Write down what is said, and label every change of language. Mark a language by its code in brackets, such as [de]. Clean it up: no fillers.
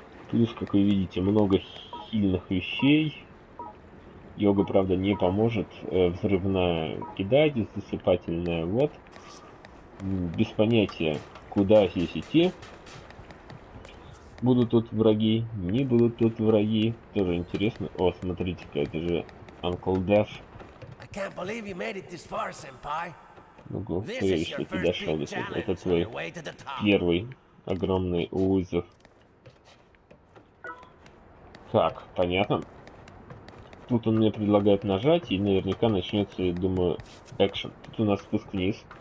[ru] Плюс, как вы видите, много сильных вещей. Йога, правда, не поможет. Взрывная кидать, засыпательная, вот. Без понятия, куда здесь идти. Будут тут враги, не будут тут враги. Тоже интересно. О, смотрите-ка, это же Uncle Death. [en] I can't believe you made it this far, senpai. [ru] Ого, что я еще туда шел? Это твой первый огромный вызов. Так, понятно. Тут он мне предлагает нажать, и наверняка начнется, я думаю, экшен. Тут у нас спуск вниз.